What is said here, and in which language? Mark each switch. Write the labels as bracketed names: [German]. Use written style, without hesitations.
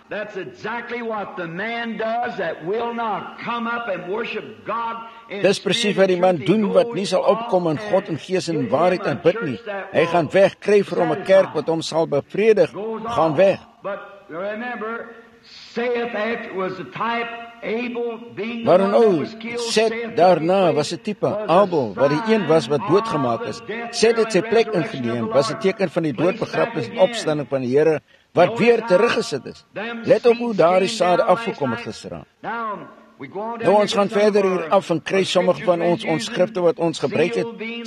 [English] That's exactly what the man does that will not come up and worship God. [Afrikaans] Dis presies wat die man doen wat nie sal opkom in God en Gees en waarheid en bid nie. Hy gaan weg, kry vir hom 'n kerk wat hom sal bevredig, gaan weg. [English] But remember, saith that was the type Abel being the one who was killed. [Afrikaans] Seth daarna was die type Abel, wat die een was wat doodgemaak is. Seth het sy plek ingeneem, was die teken van die doodbegrafnis en opstanding van die Here, wat weer teruggesit is. Let op hoe daar die saad afgekom het gisteraan. Nou ons gaan verder hier af en kry sommige van ons skrifte wat ons gebruik het.